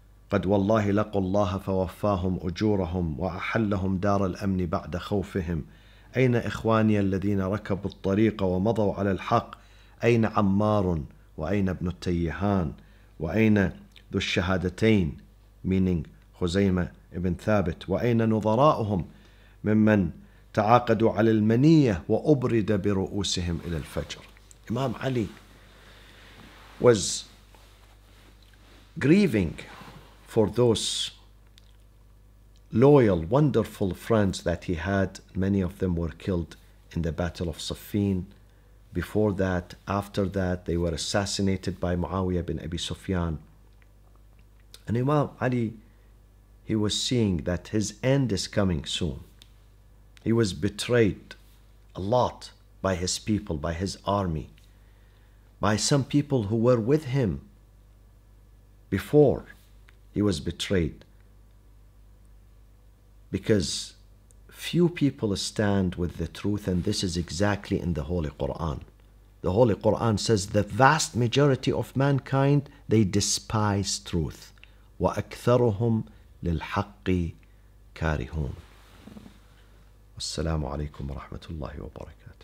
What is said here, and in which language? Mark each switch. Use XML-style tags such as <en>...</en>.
<ar>قد والله لقوا الله فوفاهم أجورهم وأحلهم دار الأمن بعد خوفهم أين إخواني الذين ركبوا الطريق ومضوا على الحق أين عمار وأين ابن التيهان وأين ذو الشهادتين</ar> <en>meaning</en> <ar>خزيمة ابن ثابت وأين نظراؤهم ممن تعاقدوا على المنية وأبرد برؤوسهم إلى الفجر.</ar> <en>إمام علي was grieving for those loyal, wonderful friends that he had. Many of them were killed in the Battle of Safin. Before that, after that, they were assassinated by Muawiyah bin Abi Sufyan. And Imam Ali, he was seeing that his end is coming soon. He was betrayed a lot by his people, by his army, by some people who were with him before he was betrayed. Because few people stand with the truth, and this is exactly in the Holy Quran. The Holy Quran says the vast majority of mankind, they despise truth.</en> <ar>وَأَكْثَرُهُمْ لِلْحَقِّ كَارِهُونَ. السلام عليكم ورحمة الله وبركاته.</ar>